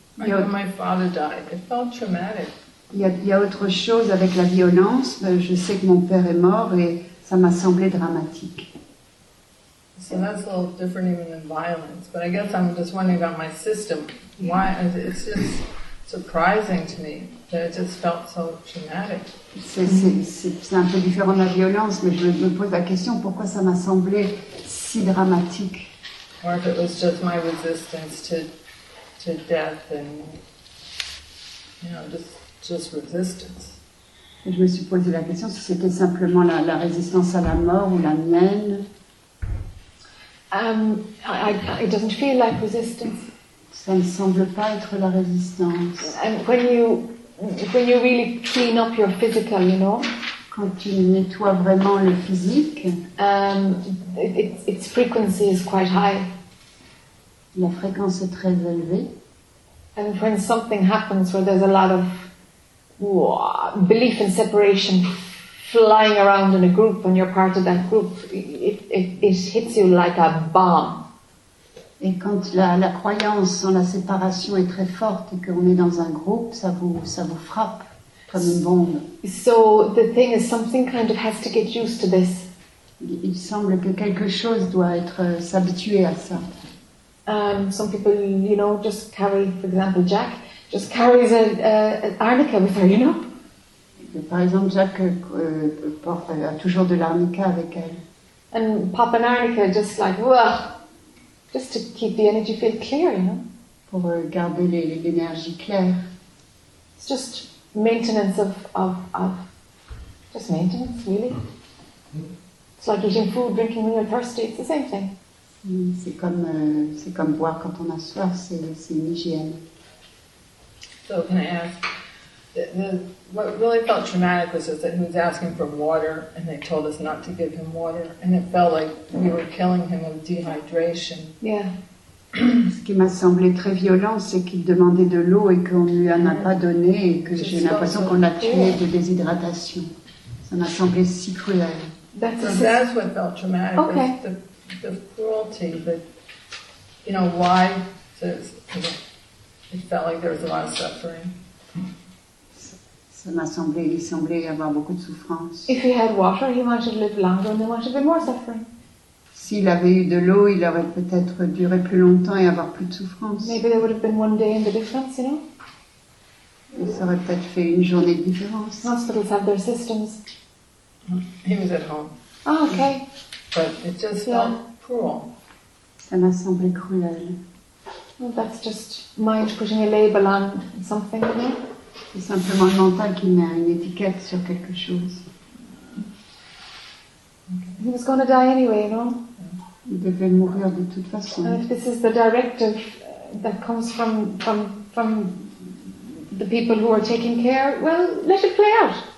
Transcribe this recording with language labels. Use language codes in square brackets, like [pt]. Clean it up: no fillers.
[en] Like when my father died, it felt traumatic. [fr] Il y a autre chose avec la violence, mais je sais que mon père est mort et ça m'a semblé dramatique. [en] So that's a little different even than violence, but I guess I'm just wondering about my system. Why, it's just surprising to me that it just felt so traumatic. [fr] C'est un peu différent de la violence, mais je me pose la question pourquoi ça m'a semblé si dramatique. [en] Or if it was just my resistance to death and, you know, just resistance. [fr] Et je me suis posé la question si c'était simplement la résistance à la mort ou la mienne. [en] It doesn't feel like resistance. [fr] Ça ne semble pas être la résistance. [en] And when you really clean up your physical, you know, [fr] quand tu nettoies vraiment le physique, [en] its frequency is quite high. [fr] La fréquence est très élevée. [en] And when something happens where there's a lot of belief and separation flying around in a group and you're part of that group, it hits you like a bomb. [fr] Et quand la croyance en la séparation est très forte et qu'on est dans un groupe, ça vous frappe comme une bombe. [en] So the thing is, something kind of has to get used to this. [fr] Il semble que quelque chose doit être s'habituer à ça. [en] Some people, you know, just carry, for example, Jack just carries an arnica with her, you know. [fr] Par exemple, Jack porte a toujours de l'arnica avec elle. [en] And pop an arnica, just like whoa. Just to keep the energy field clear, you know? [fr] Pour garder l'énergie claire. [en] It's just maintenance of just maintenance, really. It's like eating food, drinking when you're thirsty, it's the same thing. [fr] C'est comme boire quand on a soif, c'est une hygiène. [en] So can I ask, what really felt traumatic was just that he was asking for water and they told us not to give him water and it felt like we were killing him of dehydration. Yeah. [fr] Ce qui m'a semblé très violent, c'est qu'il demandait de l'eau et qu'on ne lui en a pas donné et que j'ai l'impression qu'on l'a tué de déshydratation. Ça m'a semblé si cruel. [en] That's what felt traumatic. Okay. The cruelty, but, you know, why? It felt like there was a lot of suffering. [fr] Ça m'a semblé, il semblait y avoir beaucoup de souffrance. [en] If he had water, he might have lived longer and there might have been more suffering. [fr] S'il avait eu de l'eau, il aurait peut-être duré plus longtemps et avoir plus de souffrance. [en] Maybe there would have been one day in the difference, you know? [fr] Il aurait peut-être fait une journée de différence. [en] Hospitals have their systems. He was at home. Oh, okay. But it just felt cruel. [fr] Ça m'a semblé cruel. [en] Well, that's just mind putting a label on something, you know? [fr] C'est simplement le mental qui met une étiquette sur quelque chose. [en] He was going to die anyway, you know? [fr] Il devait mourir de toute façon. [en] If this is the directive that comes from the people who are taking care, well, let it play out.